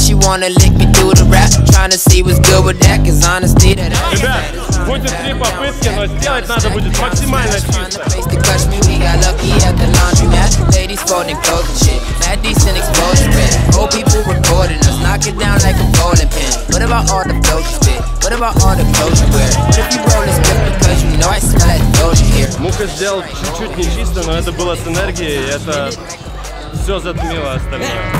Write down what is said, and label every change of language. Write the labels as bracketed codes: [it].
[en] She wanna lick me through the rap. Tryna see what's good with that. Cause honestly that ain't. [ru] Ребят, будет три попытки, но сделать надо будет максимально чисто. [en] We got lucky at the laundromat. Ladies folding clothes and shit. Mad decent exposure pin. Old people recording us. Knock it down like a bowling pin. What about all the clothes you fit? What about all the clothes you wear? Trip you roll this clip because you know I smell like clothes you hear. [ru] Мука сделал чуть-чуть нечисто, но это было с энергией, и это... Все затмило остальное.